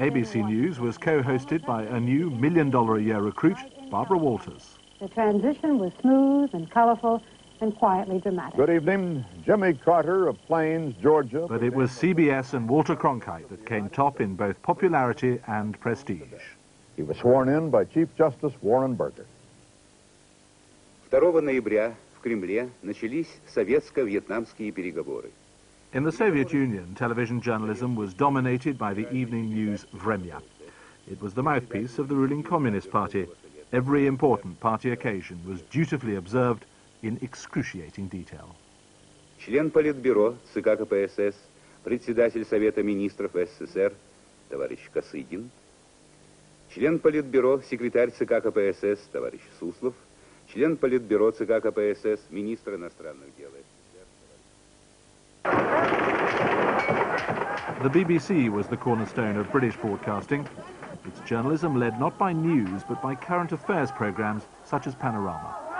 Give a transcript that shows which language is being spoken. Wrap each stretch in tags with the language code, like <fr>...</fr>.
<en>ABC News was co-hosted by a new million-dollar-a-year recruit, Barbara Walters. The transition was smooth and colorful. And quietly dramatic. Good evening, Jimmy Carter of Plains, Georgia. But it was CBS and Walter Cronkite that came top in both popularity and prestige. He was sworn in by Chief Justice Warren Burger.</en> <ru>2 ноября в Кремле начались советско-вьетнамские переговоры.</ru> <en>In the Soviet Union, television journalism was dominated by the evening news Vremya. It was the mouthpiece of the ruling Communist Party. Every important party occasion was dutifully observed in excruciating detail.</en> <ru>Член Политбюро ЦК КПСС, председатель Совета министров СССР, товарищ Косыгин. Член Политбюро, секретарь ЦК КПСС, товарищ Суслов. Член Политбюро ЦК КПСС, министр иностранных дел СССР.</ru> <en>The BBC was the cornerstone of British broadcasting. Its journalism led not by news, but by current affairs programs such as Panorama.</en>